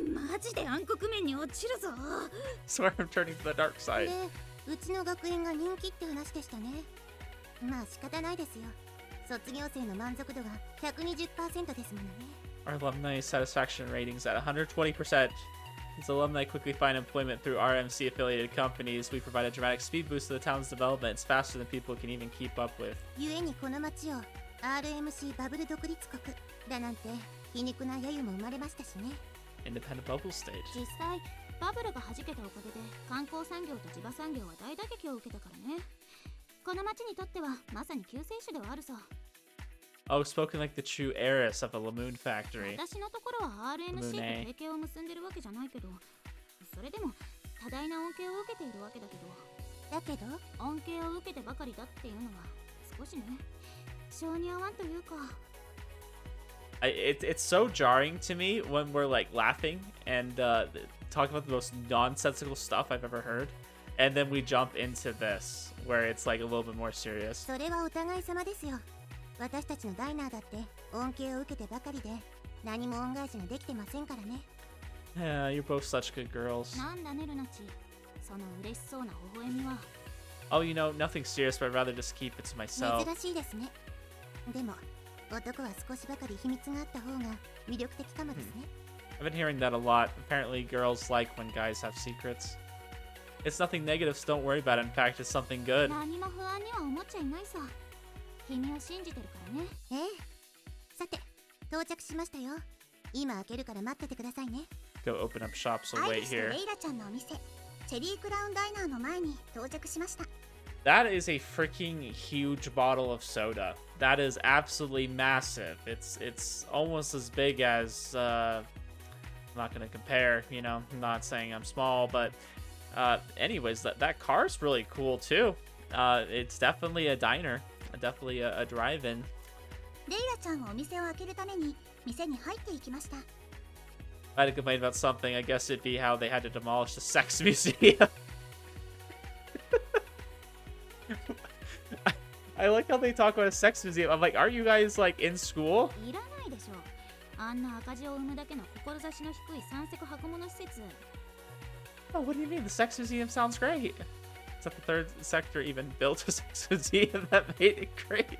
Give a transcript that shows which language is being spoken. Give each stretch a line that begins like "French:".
Japanese: マジで暗黒面に落ちるぞ!
English: Swear I'm turning to the dark side.
Japanese: で、うちの学園が人気って話でしたね。まあ仕方ないですよ。卒業生の満足度が 120% ですもんね。
English: Our alumni satisfaction rating's at 120%. As alumni quickly find employment through RMC-affiliated companies, we provide a dramatic speed boost to the town's development. It's faster than people can even keep up with.
Japanese: ゆえにこの街を RMC バブル独立国だなんて皮肉な揶揄も生まれましたしね。
English: Independent bubble state。
Japanese: 実際バブルが弾けたおかげで観光産業と地場産業は大打撃を受けたからね。この町にとってはまさに救世主ではあるさ。
English: Oh, spoken like the true heiress of a Lamoon factory.
Japanese: 私のところは RMC と提携を結んでるわけじゃないけど、それでも多大な恩恵を受けているわけだけど。だけど恩恵を受けてばかりだっていうのは少しね、性に合わんというか。
English: It's so jarring to me when we're like laughing and、talking about the most nonsensical stuff I've ever heard, and then we jump into this where it's like a little bit more serious.
Japanese: それはお互い様ですよ。私たちのダイナーだって恩恵を受けてばかりで何も恩返しができてませんからね。
English: Yeah, you're both such good girls.
Japanese: なんだねルナチ、その嬉しそうな微笑みは。
English: Oh, you know, nothing serious, but I'd rather just keep it to myself.
Japanese: 珍しいですね。でも男は少しばかり秘密があった方が魅力的かもですね。
English: I've been hearing that a lot. Apparently, girls like when guys have secrets. It's nothing negative, so don't worry about it. In fact, it's something good.
Japanese: 何も不安には思っちゃいないさ。君を信じてるからね。ええ。さて、到着しましたよ。今開けるから待っててくださいね。
English: Go open up shop, so wait here.
Japanese: アイリスとレイラちゃんのお店、チェリークラウンダイナーの前に到着しました。
English: That is a freaking huge bottle of soda. That is absolutely massive. It's almost as big as, I'm not gonna compare, you know, I'm not saying I'm small, but, anyways, that car's really cool too. It's definitely a diner, definitely a drive-in.
Japanese: レイラちゃんはお店を開けるために店に入っていきました。
English: If I had to complain about something, I guess it'd be how they had to demolish the sex museum. I like how they talk about a sex museum. I'm like, aren't you guys like in school?
Japanese: いらないでしょ。あんな赤字を生むだけの志の低い三色箱物施設。
English: Oh, what do you mean? The sex museum sounds great. Is that the third sector even built a sex museum that made it great?